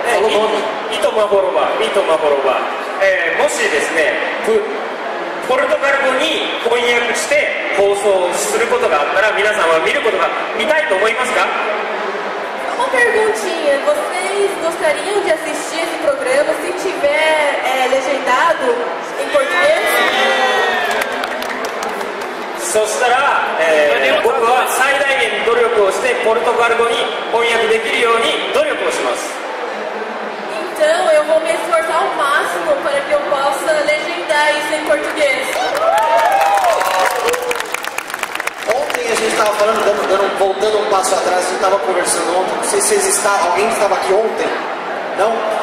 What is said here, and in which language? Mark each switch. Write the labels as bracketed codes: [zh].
[ja] もしですね、ポルトガル語に翻訳して放送することがあったら、皆さんは見たいと思いますか？ [pt] Uma perguntinha: vocês gostariam de assistir esse programa se tiver legendado em português? [ja] そしたら、僕は最大限努力をしてポルトガル語に翻訳できるように努力をします。 [pt] Então eu vou me esforçar ao máximo para que eu possa legendar isso em português. Ontem a gente estava falando, voltando um passo atrás, a gente estava conversando ontem, não sei se vocês estavam, alguém estava aqui ontem, não?